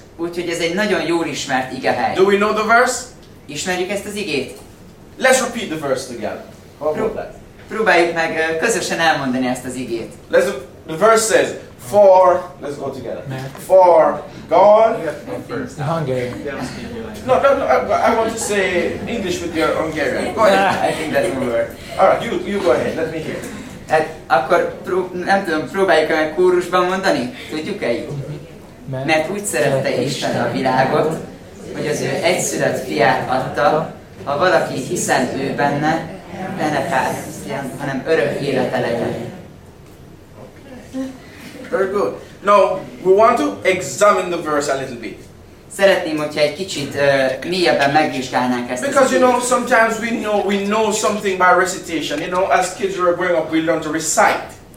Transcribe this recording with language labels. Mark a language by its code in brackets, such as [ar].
[hu] Úgyhogy ez egy nagyon jól ismert igehely. [en] Do we know the verse? [hu] Ismerjük ezt az igét? [en] Let's repeat the verse together. How about that? [hu] Próbáljuk meg közösen elmondani ezt az igét. [en] Let's, the verse says, for, let's go together. Man. For God. The Hungarian. No, I want to say English with your Hungarian. Go ahead. I think that's more. Alright, you go ahead. Let me hear. [hu] Hát akkor nem tudom, próbáljuk meg kórusban mondani? Tudjuk-e jó? Mert úgy szerette Isten a világot, hogy az ő egyszülött fiát adta, ha valaki hiszen ő benne, de ne pártján, hanem örök élete legyen. [en] Very good. Now, we want to examine the verse a little bit. [hu] Szeretném, hogyha egy kicsit mélyebben megvizsgálnánk ezt. [en] Because, you know, sometimes we know something by recitation. You know, as kids were growing up, we learned to recite.